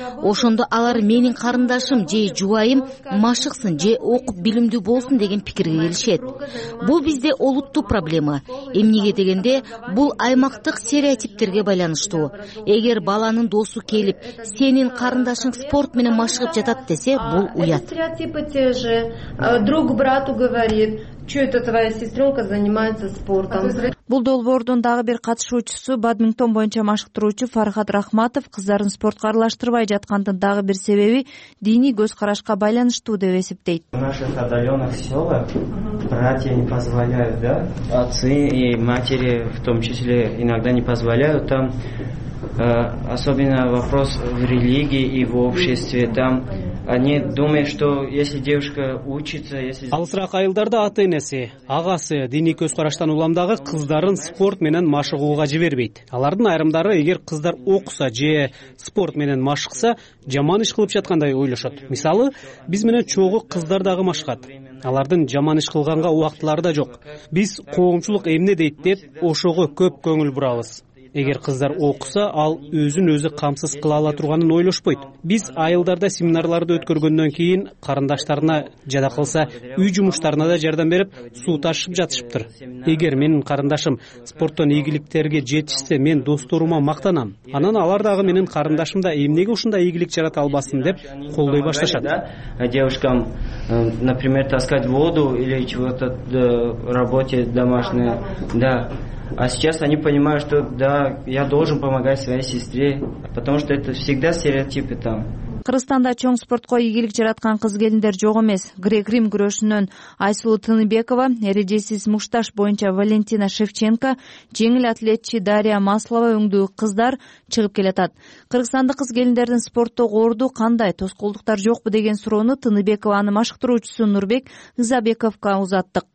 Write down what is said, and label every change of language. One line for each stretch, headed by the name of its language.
Kyrgyz: Ошондо алар менин карындашым же жубайым машыксын же окуп билимдүү болсун деген пикирге келишет. Бул бизде олуттуу проблема. Эмнеге дегенде, бул аймактык стереотиптерге байланыштуу. Эгер баланын досу келип, сенин карындашың спорт менен машыгып жатат десе, бул уят.
Russian: Стереотипы те же. Друг брату говорит: «Чё это твоя сестрёнка занимается спортом?»
Kyrgyz: Бул долбоордун дагы бир катышуучусу бадминтон боюнча машыктыруучу Фархат Рахматов кыздарын спортко аралаштырбай жаткандын дагы бир себеби диний көз карашка байланыштуу деп эсептейт.
Russian: В наших отдалённых сёлах братья не позволяют, да? Отцы и матери в том числе иногда не позволяют. Там особенно вопрос в религии и в обществе. Там они думают, что если девушка учится, если
Kyrgyz: алысыраак айылдарда ата энеси, агасы диний көз караштан улам дагы кыздарын спорт менен машыгууга жибербейт. Алардын айрымдары эгер кыздар окуса же спорт менен машыкса, жаман иш кылып жаткандай ойлошот. Мисалы, биз менен чогуу кыздар дагы машыгат. алардын жаман иш кылганга убактылары да жок. Биз коомчулук эмне дейт деп ошого көп көңүл бурабыз. Эгер кыздар окуса, ал өзүн өзү камсыз кыла ала турганын ойлошпойт. Биз айылдарда семинарларды өткөргөндөн кийин карындаштарына жада кылса, үй жумуштарына да жардам берип, суу ташып жатышыптыр. Эгер менин карындашым спорттон ийгиликтерге жетишсе, мен досторума мактанам. Анан алар дагы менин карындашым да эмнеге ушундай ийгилик жарата албасын деп колдой башташат.
Russian: Девушкам, например, таскать воду или чего-то в работе домашнее, да. А сейчас они понимают, что да, я должен помогать своей сестре, потому что это всегда стереотипы там.
Kyrgyz: Кыргызстанда чоң спортко ийгилик жараткан кыз-келиндер жок эмес. Грек-рим күрөшүнөн Айсулу Тыныбекова, эрежесиз мушташ боюнча Валентина Шевченко, жеңил атлетчи Дарья Маслова өңдүү кыздар чыгып келатат. Кыргызстандык кыз-келиндердин спортто орду кандай, тоскоолдуктар жокпу деген суроону Тыныбекованын машыктыруучусу Нурбек Изабековго узаттык.